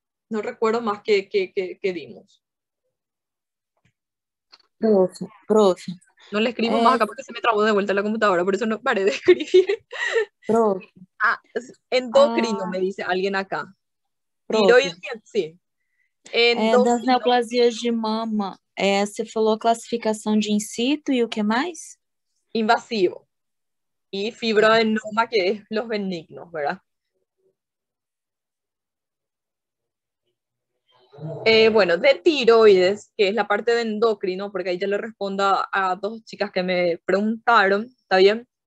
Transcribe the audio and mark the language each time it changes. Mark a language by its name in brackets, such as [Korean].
[Spanish] No recuerdo más qué dimos. Profe. No le escribo más acá porque se me trabó de vuelta la computadora, por eso no paré de escribir. Endocrino, me dice alguien acá. Sí. [Portuguese] Das neoplasias de mama, você falou classificação de in situ e o que mais? [Spanish] Invasivo. Y fibroadenoma, que es los benignos, ¿verdad? Bueno, de tiroides, que es la parte de endocrino, porque ahí ya le respondo a dos chicas que me preguntaron, ¿está bien?